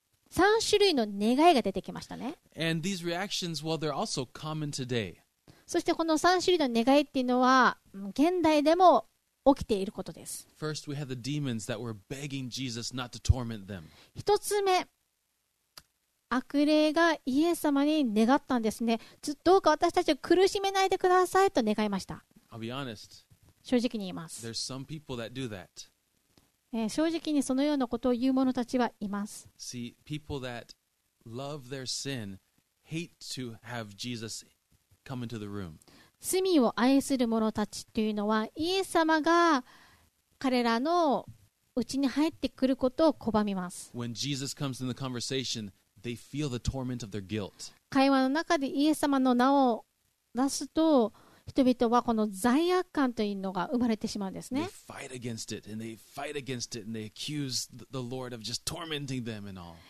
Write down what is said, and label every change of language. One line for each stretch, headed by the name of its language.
Japanese: 三種類の願いが出てきましたね。
English: And these reactions, well, they're also common today.
Japanese: そしてこの三種類の願いっていうのは現代でも起きていることです。
English: First, we have the demons that were begging Jesus not to torment them.
Japanese: 一つ目、悪霊がイエス様に願ったんですね。どうか私たちを苦しめないでくださいと願いました。正直に言います。
English: There's some people that do that.
Japanese: 正直にそのようなことを言う者たちはいます。
English: See, people that love their sin hate to have Jesus come into the room.
Japanese: 罪を愛する者たちというのはイエス様が彼らの家に入ってくることを拒みます。
English: When Jesus comes in the conversation,They feel the torment of their guilt.
Japanese: 会話の中でイエス様の名を出すと人々はこの罪悪感というのが生まれてしまうんですね。
English: They fight against it and they fight against it and they accuse the Lord of just tormenting them and all.